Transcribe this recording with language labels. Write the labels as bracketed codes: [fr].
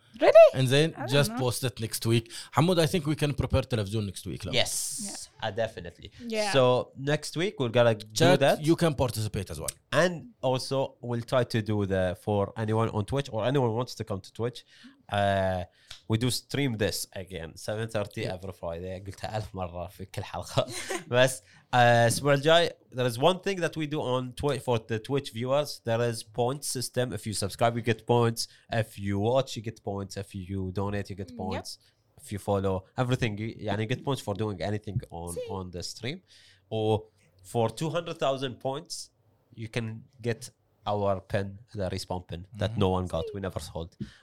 [en] Ready? And then just post it next week. Hamoud, I think we can prepare television next week. Yes, definitely. So next week we're gonna do that. You can participate as well. And also we'll try to do that for anyone on Twitch or anyone wants to come to Twitch. We do stream this again 7:30 every Friday. [ar] قلتها ألف مرة في كل حلقة. بس [en] Super Jai, there is one thing that we do on Twitch for the Twitch viewers. There is point system. If you subscribe, you get points. If you watch, you get points. If you donate, you get points. Yep. If you follow everything, you get points for doing anything on the stream. Or for 200,000 points, you can get our pin, the respawn pin that no one got. We never sold.